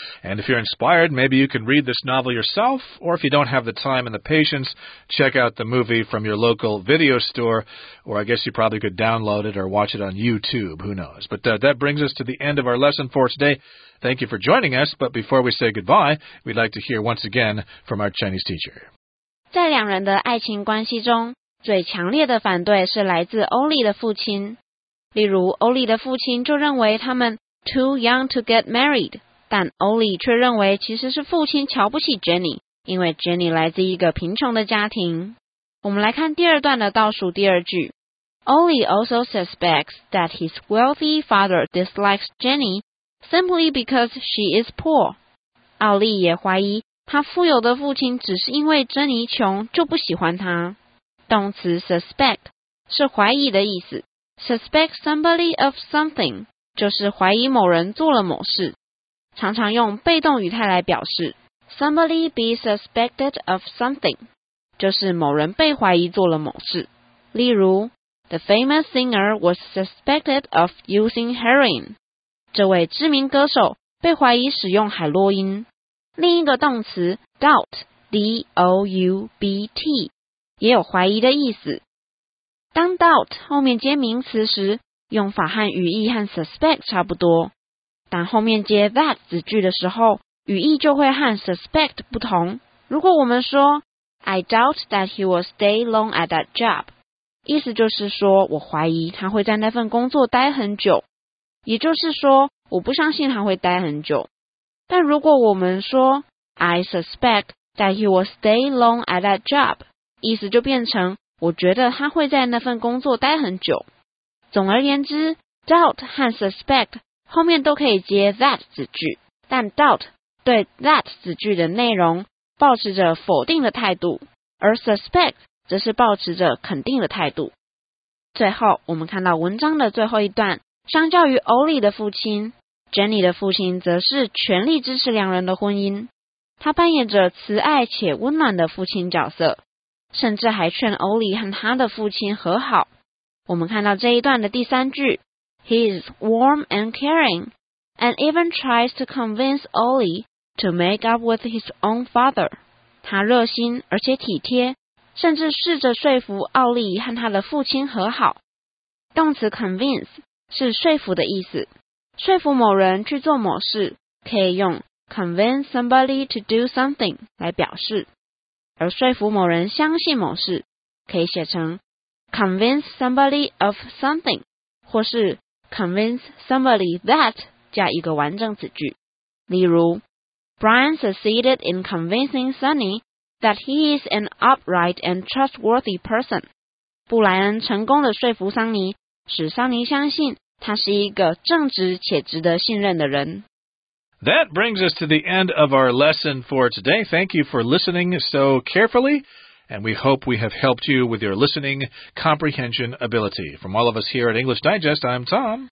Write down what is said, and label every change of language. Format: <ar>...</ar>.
<en>And if you're inspired, maybe you can read this novel yourself, or if you don't have the time and the patience, check out the movie from your local video store, or I guess you probably could download it or watch it on YouTube, who knows. But that brings us to the end of our lesson for today. Thank you for joining us, but before we say goodbye, we'd like to hear once again from our Chinese teacher.</en> <zh>在两人的爱情关系中，最强烈的反对是来自欧丽的父亲。例如，欧丽的父亲就认为他们</zh> <en>too young to get married，</en> <zh>但欧丽却认为其实是父亲瞧不起 Jenny， 因为 Jenny 来自一个贫穷的家庭。我们来看第二段的倒数第二句。</zh> <en>Oli also suspects that his wealthy father dislikes Jenny simply because she is poor.</en> <zh>奥利也怀疑他富有的父亲只是因为珍妮穷就不喜欢他。动词 suspect 是怀疑的意思。</zh> <en>Suspect somebody of something</en> <zh>就是怀疑某人做了某事。常常用被动语态来表示</zh> <en>somebody be suspected of something</en> <zh>就是某人被怀疑做了某事。例如</zh> <en>The famous singer was suspected of using heroin.</en> <zh>这位知名歌手被怀疑使用海洛因。另一个动词 doubt, D-O-U-B-T, 也有怀疑的意思。当 doubt 后面接名词时，用法和语义和 suspect 差不多。但后面接 that 子句的时候，语义就会和 suspect 不同。如果我们说</zh> <en>I doubt that he will stay long at that job.</en> <zh>意思就是说我怀疑他会在那份工作待很久，也就是说我不相信他会待很久。但如果我们说</zh> <en>I suspect that he will stay long at that job，</en> <zh>意思就变成我觉得他会在那份工作待很久。总而言之， doubt 和 suspect 后面都可以接 that 子句，但 doubt 对 that 子句的内容抱持着否定的态度，而 suspect则是抱持着肯定的态度。最后，我们看到文章的最后一段，相较于欧丽的父亲， Jenny 的父亲则是全力支持两人的婚姻。他扮演着慈爱且温暖的父亲角色，甚至还劝欧丽和他的父亲和好。我们看到这一段的第三句，</zh> <en>He is warm and caring, and even tries to convince Oli to make up with his own father.</en> <zh>他热心而且体贴，甚至试着说服奥利和他的父亲和好。动词 convince 是说服的意思，说服某人去做某事可以用</zh> <en>convince somebody to do something</en> <zh>来表示，而说服某人相信某事可以写成</zh> <en>convince somebody of something</en> <zh>或是</zh> <en>convince somebody that</en> <zh>加一个完整子句。例如</zh> <en>Brian succeeded in convincing SunnyThat he is an upright and trustworthy person.</en> <zh>布莱恩成功地说服桑尼，使桑尼相信他是一个正直且值得信任的人。</zh> <en>That brings us to the end of our lesson for today. Thank you for listening so carefully, and we hope we have helped you with your listening comprehension ability. From all of us here at English Digest, I'm Tom.</en>